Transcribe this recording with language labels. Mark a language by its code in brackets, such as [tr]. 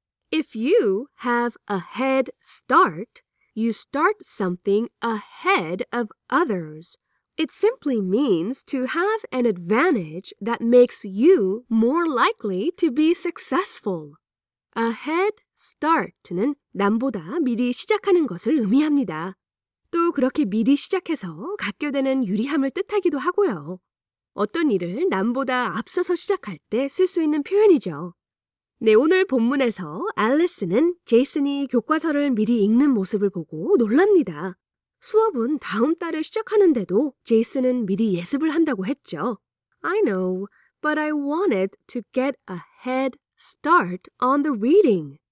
[en] If you have a head start, you start something ahead of others. It simply means to have an advantage that makes you more likely to be successful. A head start는 [ko] 남보다 미리 시작하는 것을 의미합니다. 또 그렇게 미리 시작해서 갖게 되는 유리함을 뜻하기도 하고요. 어떤 일을 남보다 앞서서 시작할 때 쓸 수 있는 표현이죠. 네, 오늘 본문에서 앨리슨은 제이슨이 교과서를 미리 읽는 모습을 보고 놀랍니다. 수업은 다음 달에 시작하는데도 제이슨은 미리 예습을 한다고 했죠. [en] I know, but I wanted to get a head start on the reading.